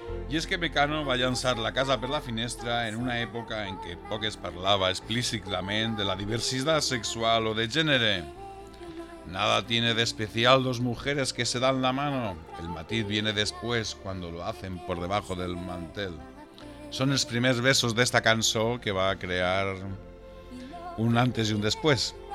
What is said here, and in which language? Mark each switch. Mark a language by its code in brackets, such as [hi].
[ca] I és que Mecano va llançar La casa per la finestra en una època en què poc es parlava explícitament de la diversitat sexual o de gènere. [es] Nada tiene de especial dos mujeres que se dan la mano. El matiz viene después, cuando lo hacen por debajo del mantel. [ca] Són els primers versos d'esta cançó que va crear un antes i un después.